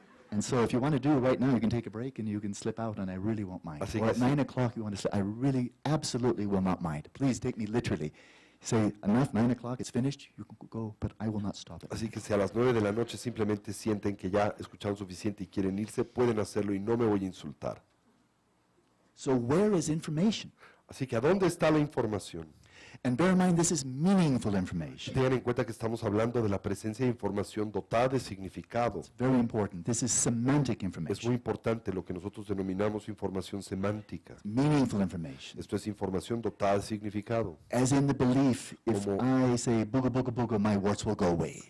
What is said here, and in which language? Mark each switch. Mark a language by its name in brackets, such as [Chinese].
[English] And so if you want to do it right now, you can take a break and you can slip out and I really won't mind. [Spanish] Así [English] or [Spanish] que [English] at 9 o'clock you want to slip, I really absolutely will not mind. Please take me literally. Say, enough, 9 o'clock, it's finished, you can go, but I will not stop it. [Spanish] Así que si a las 9 de la noche simplemente sienten que ya escucharon suficiente y quieren irse, pueden hacerlo y no me voy a insultar. [English] So where is information? [Spanish] Así que, ¿a dónde está la información? [English] And bear in mind, this is meaningful information. [Spanish] Tengan en cuenta que estamos hablando de la presencia de información dotada de significado. [English] It's very important. This is semantic information. [Spanish] Es muy importante lo que nosotros denominamos información semántica. [English] It's meaningful information. [Spanish] Esto es información dotada de significado. [English] As in the belief, [Spanish] como [English] if I say booga booga booga, my words will go away.